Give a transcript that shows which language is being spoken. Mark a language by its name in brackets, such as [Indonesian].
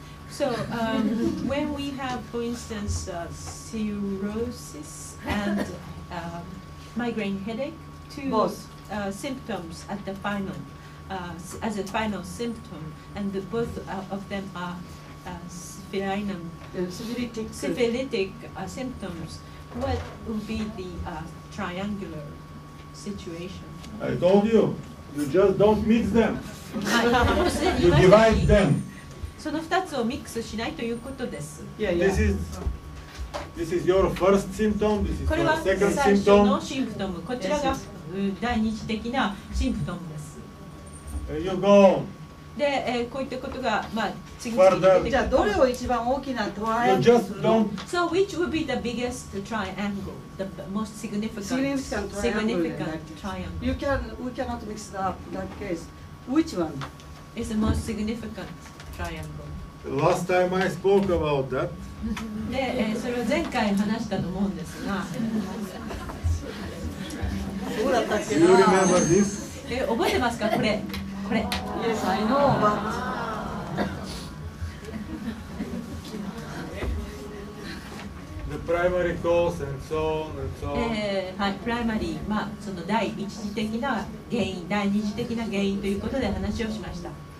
[English] So when we have, for instance, cirrhosis and migraine headache, two symptoms at the final, as a final symptom, and the, both of them are syphilitic symptoms, what would be the triangular situation? I told you, you just don't mix them. You divide them. [Japanese] その2つをミックスしないということです。 [English] This is your first symptom. This is second symptom. [Japanese] これは最初のシンプトム。こちらが第二次的なシンプトムです。 [English] You go. [Japanese] で、こういったことが、まあ、次に出てくる。じゃあどれを一番大きなトライアングル [English] So which would be the biggest triangle, the most significant triangle? We cannot mix up that case. Which one is the most significant? The last time I spoke about that. [Japanese] で、それは前回話したと思うんですが。どうだったっけな。 [English] Do you remember this? [Japanese] 覚えてますか、これ。これ。 [English] Yes, I know, but... The primary cause and so on and so on. [Japanese] はい、primary、まあ、その第一次的な原因、第二次的な原因ということで話をしました。